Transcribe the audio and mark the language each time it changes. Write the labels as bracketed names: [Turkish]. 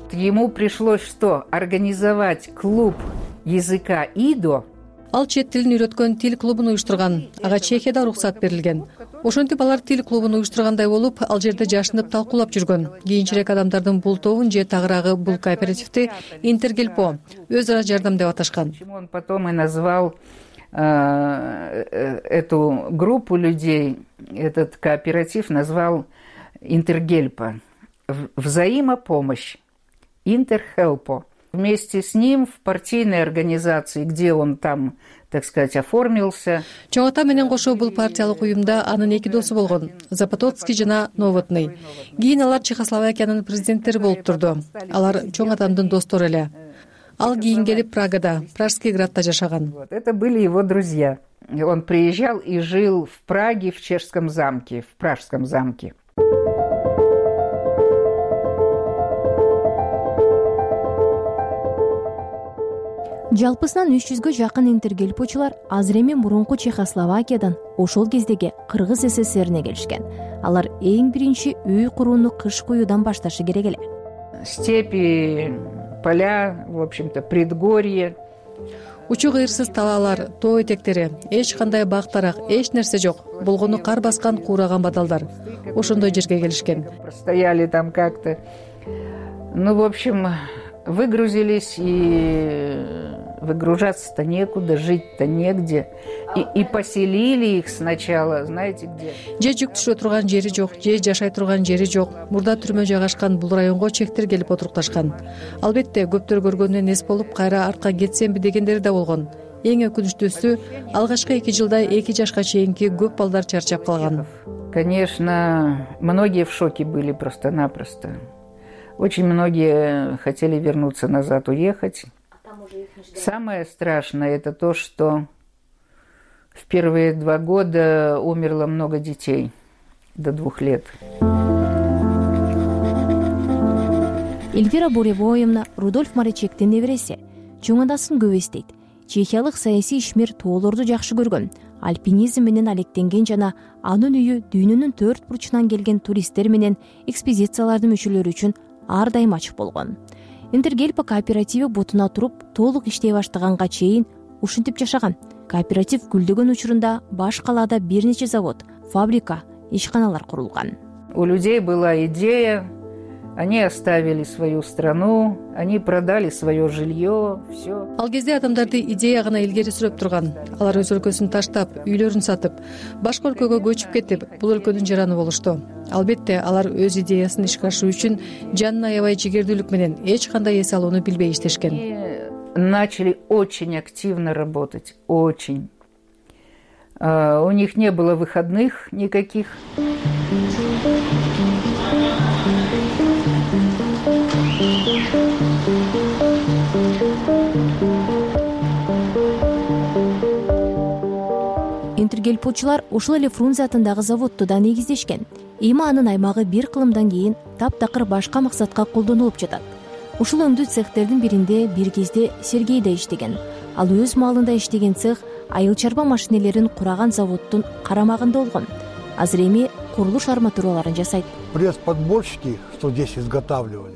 [Russian] Ему пришлось что организовать клуб языка ИДО. [Kyrgyz] Ал чет тилин үйрөткөн тил клубун уюштурган. Ага Чехияда уруксат берилген. Ошентип алар тил клубун уюштургандай болуп, ал жерде жашынып талкуулап жүргөн. Кийинчерээк адамдардын бул тобун же тагыраагы бул кооперативти Интергелпо өз ара жардам деп аташкан. [Russian] Он потом и назвал эту группу людей, этот кооператив назвал Интергелпо. Взаимопомощь. Интерхелпо. Вместе с ним в партийной организации, где он там, так сказать, оформился. [Kyrgyz] Чоң ата менен кошо бул партиялык уюмда анын эки досу болгон, Запотоцкий жана Новотный. Кийин алар Чехословакиянын президенттери болуп турду. Алар чоң атамдын достору эле. Ал кийин келип Прагада, Пражский градта жашаган. [Russian] Это были его друзья. Он приезжал и жил в Праге, в чешском замке, в Пражском замке. [Kyrgyz] Жалпысынан 300-гө жакын интергелпочулар азыр эми мурунку Чехословакиядан ошол кездеги Кыргыз ССР'ине келишкен. Алар эң биринчи үй курууну кыш куюудан башташы керек эле. [Russian] Степи, поля, в общем-то, предгорье. [Kyrgyz] Учу кыйырсыз талаалар, тоо этектери, эч кандай бак дарак, эч нерсе жок. Болгону кар баскан куураган бадалдар. Ошондой жерге келишкен. [Russian] Стояли там как-то. Ну, в общем, выгрузились и выгружаться-то некуда, жить-то негде. И поселили их сначала, знаете, где? [Kyrgyz] Же жүк түшө турган жери жок, же жашай турган жери жок. Мурда түрмө жайгашкан бул районго чектер келип отурукташкан. Албетте, көптөр көргөндөн эс болуп, кайра артка кетсемби дегендери да болгон. Эң өкүнүчтүүсү, алгачкы 2 жылда 2 жашка чейинки көп балдар чарчап калган. [Russian] Конечно, многие в шоке были просто-напросто. Очень многие хотели вернуться назад, уехать. Самое страшное – это то, что в первые 2 года умерло много детей до 2 лет. [Kyrgyz] Эльвира Буревоевна Рудольф Маричектин небереси. Чоң атасын көбөстөйт. Чехиялык саясий ишмер тоолорду жакшы көргөн. Альпинизм менен алектенген жана анын үйү дүйнөнүн 4 бурчунан келген туристтер менен экспедициялардын мүчөлөрү үчүн ар дайым ачык болгон. Интергелпо кооперативи бутуна туруп, толук иштей баштаганга чейин ушинтип жашаган. Кооператив гүлдөгөн учурунда баш калада бир нече завод, фабрика, ишканалар курулган. [Russian] У людей была идея, они оставили свою страну, они продали свое жилье, все. [Kyrgyz] Ал кезде адамдарды идея гана илгери сүрөп турган. Алар өз өлкөсүн таштап, үйлөрүн сатып, башка өлкөгө көчүп кетип, бул өлкөнүн жараны болушту. Албетте, алар өз идеясын ишке ашыруу үчүн жанын аябай жигердүүлүк менен эч кандай эс алууну билбей иштешкен. [Russian] Начали очень активно работать, очень. У них не было выходных никаких. [Kyrgyz] Интергелпочулар ушул эле Фрунзе атындагы заводту да негиздешкен. Эми анын аймагы бир кылымдан кийин таптакыр башка максатка колдонулуп жатат. Ушул өндүү цехтердин биринде бир кезде Сергей да иштеген. Ал өз маалында иштеген цех айыл чарба машинелерин кураган заводтун карамагында болгон. Азыр эми курулуш арматураларын жасайт. [Russian] Пресс-подборщики, что здесь изготавливали.